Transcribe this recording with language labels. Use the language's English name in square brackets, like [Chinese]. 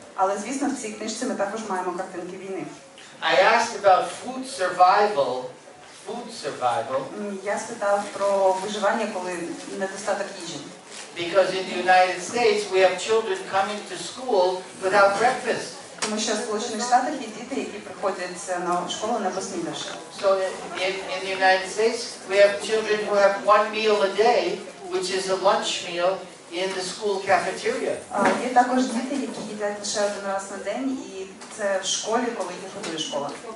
[Ukrainian] Але, звісно, в цій книжці ми також маємо картинки війни. [English] I asked about food survival. Food survival. [Ukrainian] Я спитав про виживання, коли недостаток їжі. [English] Because in the United States, we have children coming to school without breakfast. [Ukrainian] Тому що в Сполучених Штатах є діти, які приходять на школу не поснідавши. [English] So in the United States we have children who have one meal a day, which is a lunch meal in the school cafeteria. [Ukrainian] Є також діти, які їдять лише один раз на день, і це в школі, коли їх готує школа.